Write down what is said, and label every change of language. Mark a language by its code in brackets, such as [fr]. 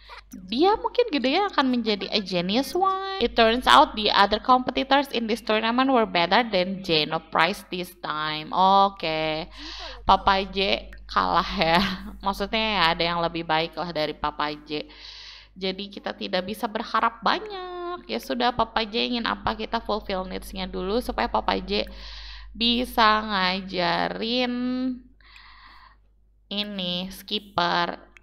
[id] Dia mungkin gedenya akan menjadi [en] a genius one. It turns out the other competitors in this tournament were better than Geno Price this time. [id] Okay. Papa J kalah ya. Maksudnya ya, ada yang lebih baik lah dari Papa J. Jadi kita tidak bisa berharap banyak. Ya sudah, Papa J ingin apa? Kita fulfill needs-nya dulu supaya Papa J bisa ngajarin ini Skipper.